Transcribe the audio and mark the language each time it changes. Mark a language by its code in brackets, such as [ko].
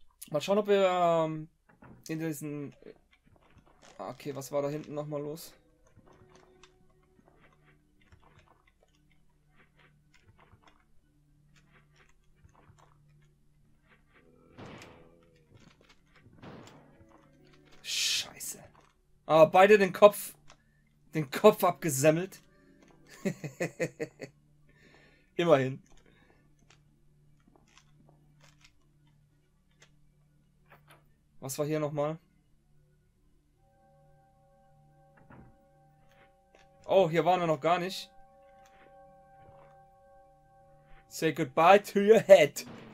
[de] Mal schauen, ob wir in diesen... Okay, was war da hinten nochmal los? Scheiße. Aber beide den Kopf abgesemmelt. Immerhin. Was war hier nochmal? Oh, hier waren wir noch gar nicht. [en] Say goodbye to your head.